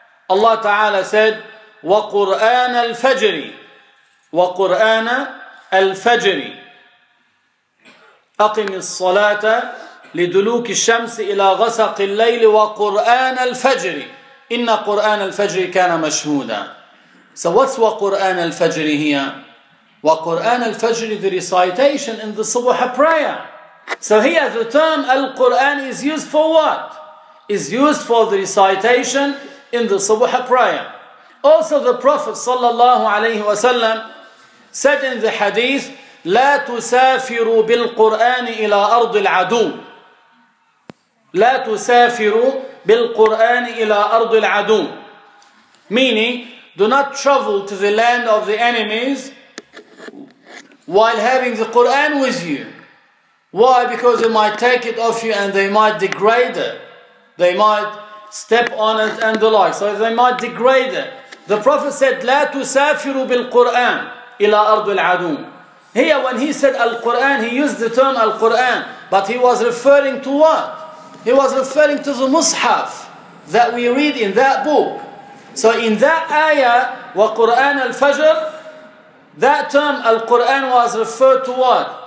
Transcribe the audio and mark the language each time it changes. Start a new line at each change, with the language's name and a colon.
English: Allah ta'ala said,
Arabic: وَقُرْآنَ الْفَجْرِ وَقُرْآنَ الْفَجْرِ أَقِمِ الصَّلَاةَ لِدُلُوكِ الشَّمْسِ إِلَى غَسَقِ اللَّيْلِ وَقُرْآنَ الْفَجْرِ إِنَّ قُرْآنَ الْفَجْرِ كَانَ مَشْهُودًا.
English: So what's
Arabic: وَقُرْآنَ الْفَجْرِ
English: here? وَقُرْآنَ الْفَجْرِ, the recitation in the subh prayer. So here the term Al-Qur'an is used for what? Is used for the recitation in the subh prayer. Also the Prophet sallallahu alayhi wa sallam said in the hadith,
Arabic: لا تسافروا بالقرآن إلى أرض العدو. لا تسافروا بالقرآن إلى أرض العدو.
English: Meaning, do not travel to the land of the enemies while having the Qur'an with you. Why? Because they might take it off you and they might degrade it. They might step on it and the like. So they might degrade it. The Prophet said,
Arabic: لا تسافروا بالقرآن إلى أرض العدو.
English: Here when he said Al-Qur'an, he used the term Al-Qur'an. But he was referring to what? He was referring to the Mus'haf that we read in that book. So in that ayah, wa Qur'an al-Fajr, that term al-Qur'an was referred to what?